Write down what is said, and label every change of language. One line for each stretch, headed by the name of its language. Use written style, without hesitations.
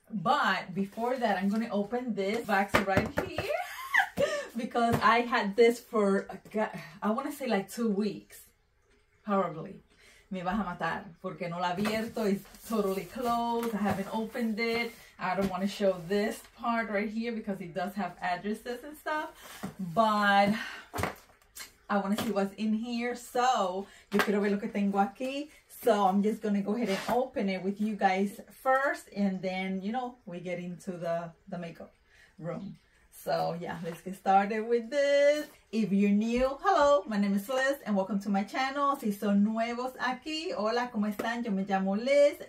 English: But before that, I'm going to open this box right here because I had this for, I want to say like 2 weeks, probably.
Spanish: Me vas a matar porque no la abierto,
English: it's totally closed, I haven't opened it. I don't want to show this part right here because it does have addresses and stuff, but I want to see what's in here.
Spanish: So, yo quiero ver lo que tengo aquí.
English: So I'm just going to go ahead and open it with you guys first. And then, you know, we get into the makeup room. So yeah, let's get started with this. If you're new, hello, my name is Liz and welcome to my channel.
Spanish: Si son nuevos aquí, hola, ¿cómo están? Yo me llamo Liz.